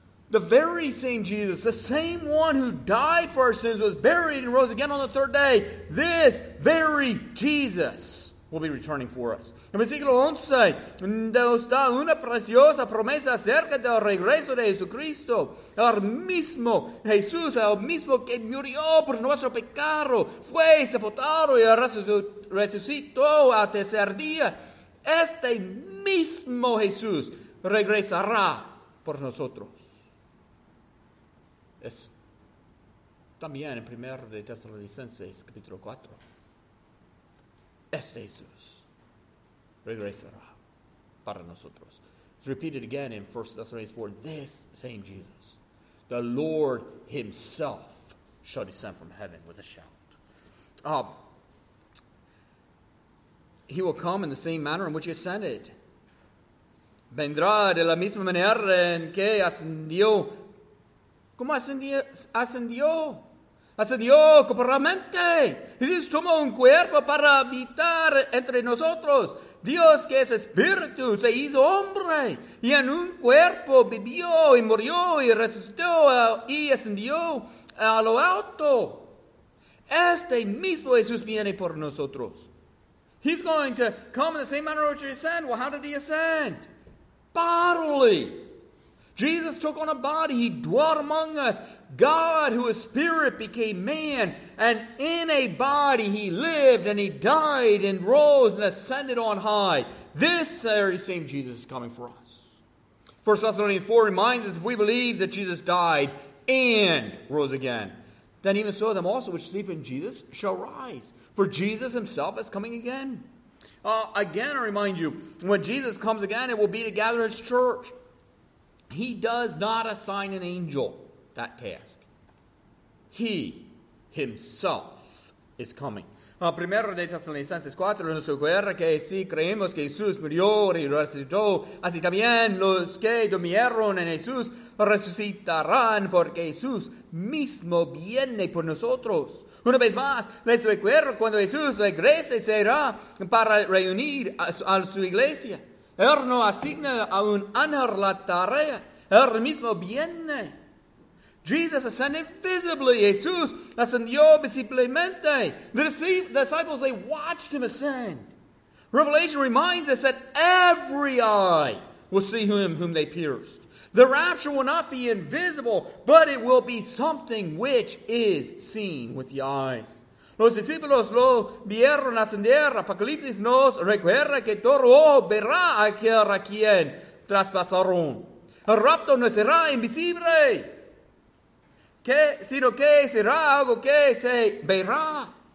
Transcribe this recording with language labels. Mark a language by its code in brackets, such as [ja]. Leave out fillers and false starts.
[en] The very same Jesus, the same one who died for our sins, was buried, and rose again on the third day. This very Jesus will be returning for us. [es] En versículo 11, nos da una preciosa promesa acerca del regreso de Jesucristo. El mismo Jesús, el mismo que murió por nuestro pecado, fue sepultado y resucitó al tercer día. Este mismo Jesús regresará por nosotros. Es también en 1 de Tesalonicenses, capítulo 4. Este Jesús regresará para nosotros. [en] It's repeated again in 1 Thessalonians 4. This same Jesus, the Lord himself, shall descend from heaven with a shout. He will come in the same manner in which he ascended. [es] Vendrá de la misma manera en que ascendió. ¿Cómo ascendió? Ascendió corporalmente. Jesús tomó un cuerpo para habitar entre nosotros. Dios, que es espíritu, se hizo hombre. Y en un cuerpo vivió y murió y resucitó y ascendió a lo alto. Este mismo Jesús viene por nosotros. [en] He's going to come in the same manner which he ascended. Well, how did he ascend? Bodily. Jesus took on a body, he dwelt among us. God, who is spirit, became man, and in a body he lived, and he died, and rose, and ascended on high. This very same Jesus is coming for us. 1 Thessalonians 4 reminds us, if we believe that Jesus died and rose again, then even so them also which sleep in Jesus shall rise. For Jesus himself is coming again. Again, I remind you, when Jesus comes again, it will be to gather his church. He does not assign an angel that task. He himself is coming. [es] Primero de Tesalonicenses 4 nos recuerda que si creemos que Jesús murió y resucitó, así también los que durmieron en Jesús resucitarán porque Jesús mismo viene por nosotros. Una vez más, les recuerdo cuando Jesús regrese será para reunir a su iglesia. Él no asigna a un ángel la tarea. El mismo viene. [en] Jesus ascended visibly. [es] Jesús ascendió visiblemente. [en] The disciples, they watched him ascend. Revelation reminds us that every eye will see him whom they pierced. The rapture will not be invisible, but it will be something which is seen with the eyes. [es] Los discípulos lo vieron ascender. Apocalipsis nos recuerda que todo ojo verá aquel a quien traspasaron. El rapto no será invisible, sino que será algo que se verá.